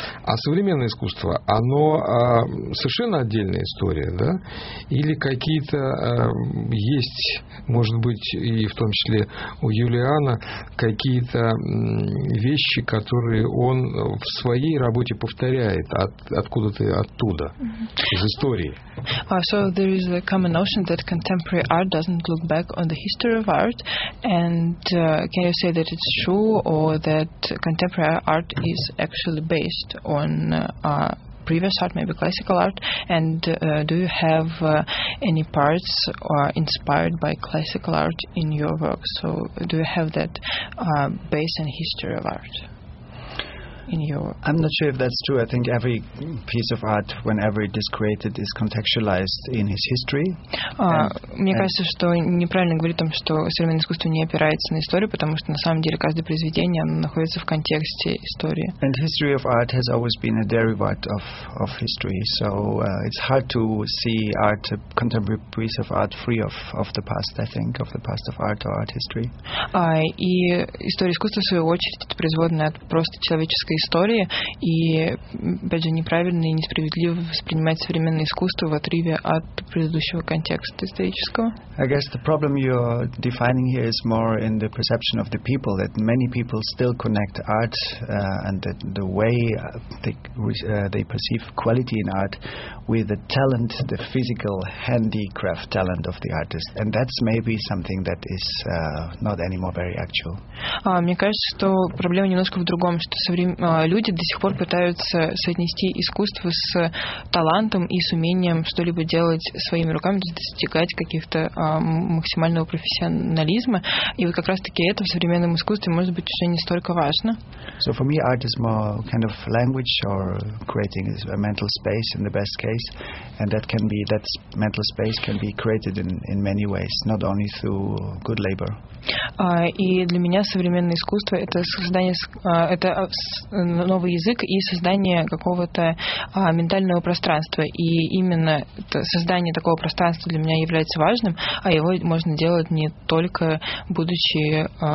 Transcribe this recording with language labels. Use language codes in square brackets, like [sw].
[ru] А современное искусство, оно совершенно отдельная история, да? Или какие-то есть, может быть, и в том числе у Юлиана, какие-то вещи, которые он в своей работе повторяет откуда-то оттуда, из истории. [en] So there is a common notion that contemporary art doesn't look back on the history of art, and can you say that it's true, or that contemporary art is actually based on previous art, maybe classical art, and do you have any parts or inspired by classical art in your work? So do you have that base and history of art in your work? I'm not sure if that's true. I think every piece of art, whenever it is created, is contextualized in its history. [ru] Мне кажется, что неправильно говорить о том, что современное искусство не опирается на историю, потому что на самом деле каждое произведение находится в контексте истории. [en] And history of art has always been a derivative of history, so it's hard to see art, a contemporary piece of art, free of the past, I think, of the past of art or art history. [ru] И история искусства, в свою очередь, это производная от просто человеческой истории, и, опять же, неправильно и несправедливо воспринимать современное искусство в отрыве от предыдущего контекста исторического. [en] I guess the problem you're defining here is more in the perception of the people, that many people still connect art and the way they perceive quality in art with the talent, the physical handicraft talent of the artist, and that's maybe something that is not anymore very actual. [ru] Мне кажется, что проблема немножко в другом, что люди до сих пор пытаются соотнести искусство с талантом и с умением что-либо делать своими руками, достигать каких-то максимального профессионализма. И вот как раз-таки это в современном искусстве может быть уже не столько важно. [en] So for me, art is more kind of language or creating a mental space in the best case. And that can be, that mental space can be created in many ways, not only through good labor. [ru] И для меня современное искусство — это создание, это новый язык и создание какого-то ментального пространства. И именно создание такого пространства для меня является важным, а его можно делать не только будучи